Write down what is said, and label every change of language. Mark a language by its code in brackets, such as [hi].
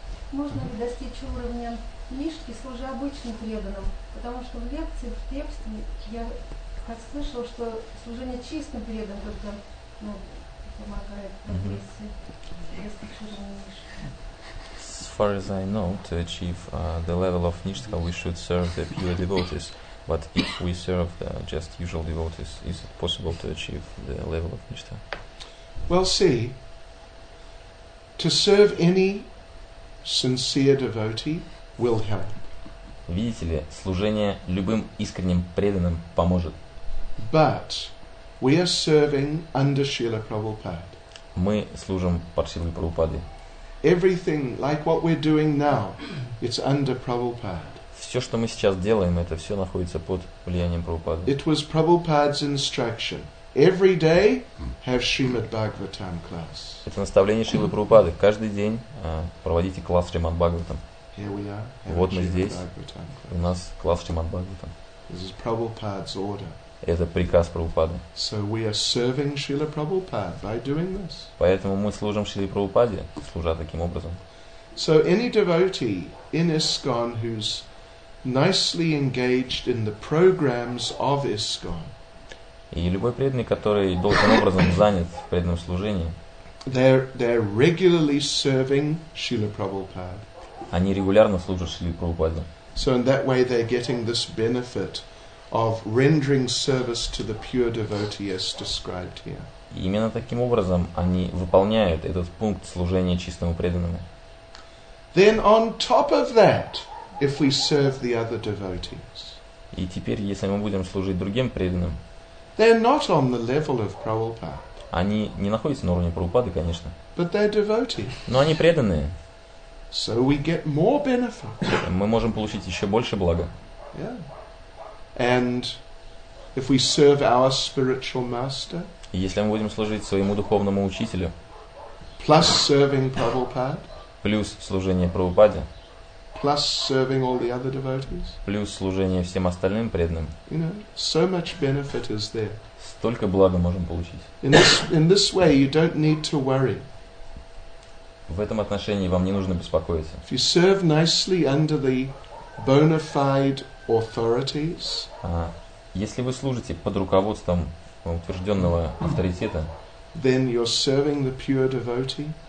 [ru] Можно ли достичь уровня нишки, служа обычным преданным? Потому что в лекции, в тексте я как слышал, что служение чистым преданным только, ну, помогает прогрессе достичь уровня нишки. [en] As far as I know, to achieve the level of nishtha, we should serve the pure devotees. But if we serve the just usual devotees, is it possible to achieve the level of nishtha? Well, see, to serve any sincere devotee will help. [ru] Видите ли, служение любым искренним преданным поможет. [en] But we are serving under Srila Prabhupada. [ru] Мы служим под Шрилой Прабхупадой. [en] Everything, like what we're doing now, it's under Prabhupada. [ru] Все, что мы сейчас делаем, это все находится под влиянием Прабхупады. [en] It was Prabhupada's instruction. Every day have Shrimad Bhagavatam class. [ru] Это наставление Шрилы Прабхупады. Каждый день проводите класс Шримад Бхагаватам. [en] Here we are. Вот мы здесь. [ru] У нас класс Шримад Бхагаватам. [en] This is Prabhupada's order. [ru] Это приказ Прабхупады. [en] So we are serving Srila Prabhupada by doing this. [ru] Поэтому мы служим Шриле Прабхупаде, служа таким образом. [en] So any devotee in ISKCON who's nicely engaged in the programs of ISKCON. [ru] И любой преданный, который должным образом занят в преданном служении. [en] They're regularly serving Srila Prabhupada. [ru] Они регулярно служат Шриле Прабхупаде. [en] So in that way they're getting this benefit of rendering service to the pure devotee as described here. [ru] Именно таким образом они выполняют этот пункт служения чистому преданному. [en] Then on top of that, if we serve the other devotees. [ru] И теперь, если мы будем служить другим преданным. [en] They're not on the level of Prabhupada. [ru] Они не находятся на уровне Прабхупады, конечно. [en] But they're devotees. [ru] Но они преданные. [en] So we get more benefit. [ru] Мы можем получить еще больше блага. [en] Yeah. And if we serve our spiritual master, [ru] если мы будем служить своему духовному учителю, [en] plus serving Prabhupada, [ru] плюс служение Прабхупаде, [en] plus serving all the other devotees, [ru] плюс служение всем остальным преданным, [en] you know, so much benefit is there. [ru] Столько блага можем получить. [en] In this way, you don't need to worry. [ru] В этом отношении вам не нужно беспокоиться. [en] If you serve nicely under the bona fide authorities. [ru] Если вы служите под руководством утвержденного авторитета, [en] then you're serving the pure devotee.